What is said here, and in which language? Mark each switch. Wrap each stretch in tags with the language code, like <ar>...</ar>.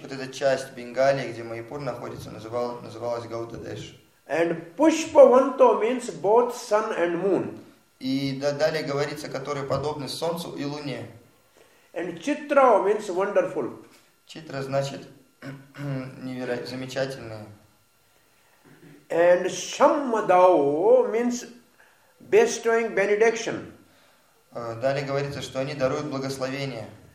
<ru>Вот эта часть Бенгалии, где Майяпур находится, называлась Gaura Desh.</ru> <en>And Pushpavanto means both sun and moon.</en> <ru>И далее говорится, которые подобны солнцу и луне.</ru> <en>And Chitra means wonderful.</en> <ru>Chitra значит невероятно замечательное.</ru> <en>And Shammadao means bestowing benediction.</en> <ru>Далее говорится, что они даруют благословение.</ru>